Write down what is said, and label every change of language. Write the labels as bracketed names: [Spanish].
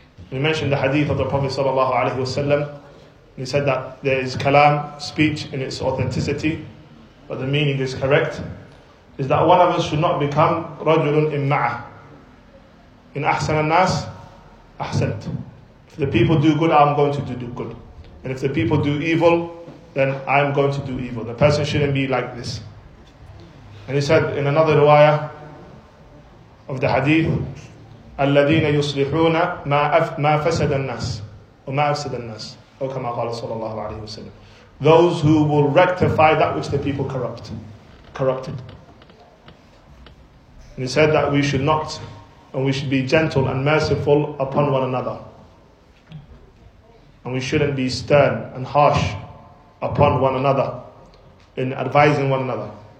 [English] We mentioned the hadith of the Prophet sallallahu alaihi wasallam. He said that there is kalam, speech in its authenticity, but the meaning is correct. Is that one of us should not become [Arabic] rajulun imma'ah. In ahsan al-nas, ahsant. [English] If the people do good, I'm going to do good. And if the people do evil, then I'm going to do evil. The person shouldn't be like this. And he said in another riwayah of the hadith, [Arabic] الَّذِينَ يُصْلِحُونَ مَا فَسَدَ النَّاسِ وَمَا أَفْسَدَ النَّاسِ أَوْ كَمَا قَالَ صَلَى اللَّهُ عَلَيْهِ وَسَلَّمَ. [English] Those who will rectify that which the people corrupted. And he said that we should not, and we should be gentle and merciful upon one another. And we shouldn't be stern and harsh upon one another in advising one another.